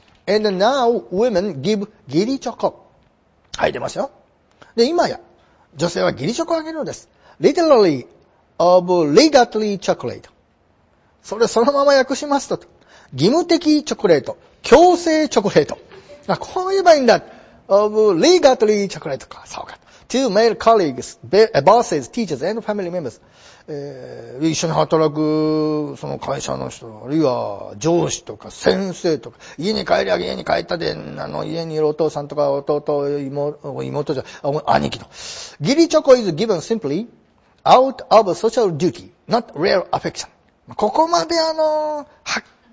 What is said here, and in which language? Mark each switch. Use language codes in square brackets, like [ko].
[en] And now women give ギリチョコ。 [ja] はい、出ますよ。で、今や、女性はギリチョコあげるのです。 [en] Literally, obligatory chocolate。 [ja] それそのまま訳しますと。義務的チョコレート。強制チョコレート。あ、こう言えばいいんだ。 [en] Of legatory chocolate [ja] か、そうか。 [en] To male colleagues, bosses, teachers, and family members. [ja] 一緒に働く、その会社の人、あるいは、上司とか、先生とか、家に帰りゃ、家に帰ったで、家にいるお父さんとか、弟、妹じゃ、兄貴と。 [en] ギリチョコ is given simply out of social duty, not real affection. [ja] ここまではっ